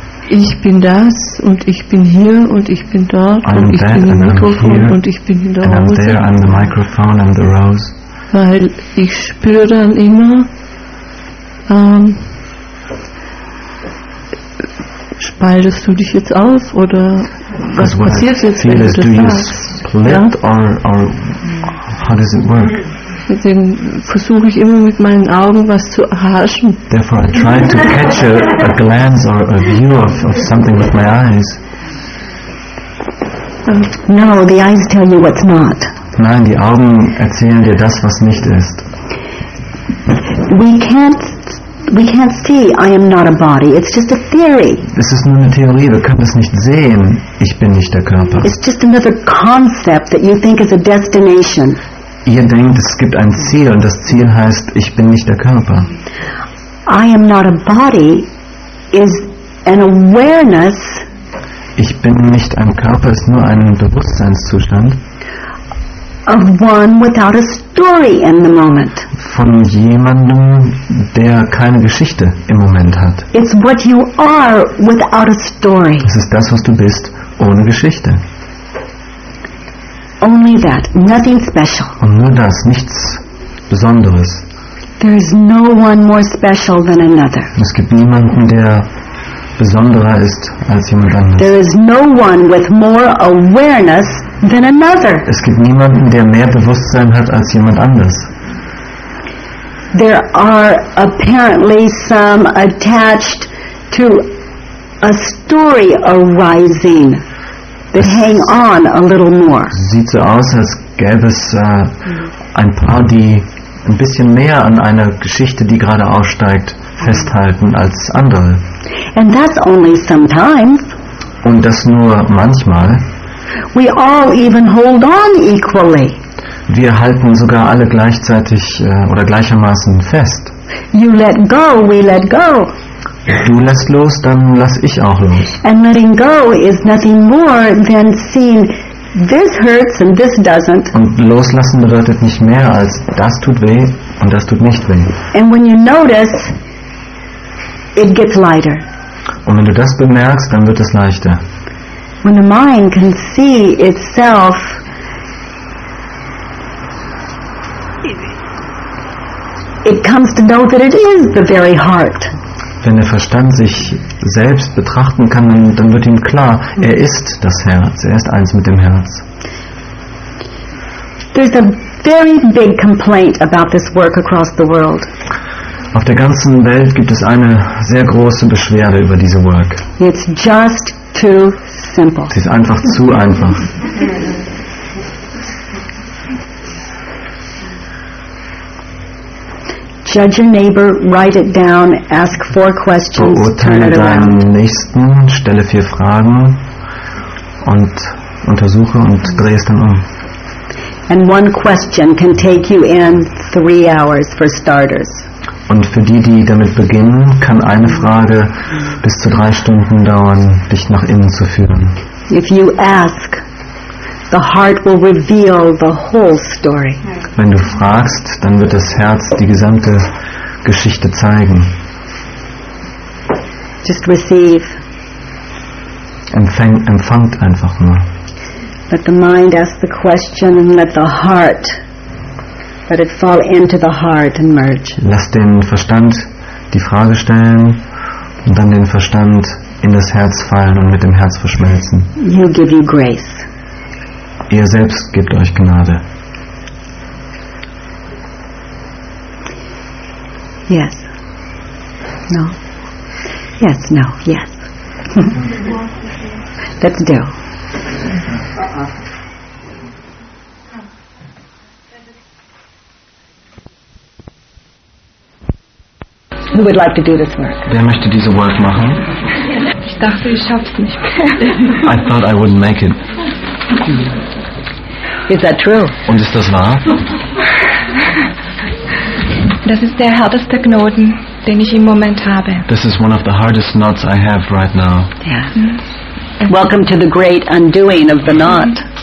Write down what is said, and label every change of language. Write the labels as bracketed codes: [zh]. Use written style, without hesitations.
[de] Ich bin das und ich bin hier und ich bin dort und ich bin im Mikrofon und ich bin in der Rose. [en] And I'm there, I'm the microphone, I'm the rose. [de] Weil ich spüre dann immer spaltest du dich jetzt auf oder was passiert jetzt, wenn du das sagst? [en] Do you split or how does it work? [de] Deswegen versuche ich immer mit meinen Augen was zu erhaschen. [en] Therefore I try to catch a glance or a view of something with my eyes. No, the eyes tell you what's not. [de] Nein, die Augen erzählen dir das, was nicht ist. [en] We can't see I am not a body. It's just a theory. [de] Es ist nur eine Theorie. Wir können es nicht sehen. Ich bin nicht der Körper. [en] It's just another concept that you think is a destination. [de] Ihr denkt, es gibt ein Ziel und das Ziel heißt, ich bin nicht der Körper. [en] I am not a body is an awareness. [de] Ich bin nicht ein Körper, ist nur ein Bewusstseinszustand. [en] Of one without a story in the moment. [de] Von jemandem, der keine Geschichte im Moment hat. [en] It's what you are without a story. [de] Es ist das, was du bist, ohne Geschichte. [en] Only that, nothing special. [de] Und nur das, nichts Besonderes. [en] There is no one more special than another. [de] Es gibt niemanden, der besonderer ist als jemand anderes. [en] There is no one with more awareness than another. [de] Es gibt niemanden, der mehr Bewusstsein hat als jemand anders. [en] There are apparently some attached to a story arising. They hang on a little more. [de] Sieht so aus, als gäbe es ein paar, die ein bisschen mehr an einer Geschichte, die gerade aussteigt, festhalten als andere. [en] And that's only sometimes. [de] Und das nur manchmal. [en] We all even hold on equally. [de] Wir halten sogar alle gleichzeitig oder gleichermaßen fest. [en] You let go, we let go. [de] du lässt los, dann lass ich auch los. [en] And letting go is nothing more than seeing this hurts and this doesn't. [de] Und loslassen bedeutet nicht mehr als das tut weh und das tut nicht weh. [en] And when you notice, it gets lighter. [de] Und wenn du das bemerkst, dann wird es leichter. [en] When the mind can see itself, it comes to know that it is the very heart. [de] Wenn der Verstand sich selbst betrachten kann, dann wird ihm klar, er ist das Herz, er ist eins mit dem Herz. [en] There's a very big complaint about this work across the world. [de] Auf der ganzen Welt gibt es eine sehr große Beschwerde über diese Work. [en] It's just too simple. [de] Sie ist einfach zu einfach. [en] Judge your neighbor, write it down, ask four questions, [de] beurteile deinen Nächsten, stelle vier Fragen und untersuche und dreh es dann um. [en] And one question can take you in 3 hours for starters. [de] Und für die, die damit beginnen, kann eine Frage bis zu 3 Stunden dauern, dich nach innen zu führen. [en] If you ask, the heart will reveal the whole story. [de] Wenn du fragst, dann wird das Herz die gesamte Geschichte zeigen. [en] Just receive. [de] Empfangt einfach nur. [en] Let the mind ask the question and let the heart. Let it fall into the heart and merge. [de] Lass den Verstand die Frage stellen und dann den Verstand in das Herz fallen und mit dem Herz verschmelzen. [en] He'll give you grace. [de] Ihr selbst gebt euch Gnade. [en] Yes. No. Yes, no, yes. Let's do. Who would like to do this work? [de] Wer möchte diese Work machen? Ich dachte, ich schaff's nicht. [en] I thought I wouldn't make it. Is that true? [de] Und ist das wahr? Das ist der härteste Knoten, den ich im Moment habe. [en] This is one of the hardest knots I have right now. Yeah. Welcome to the great undoing of the knot.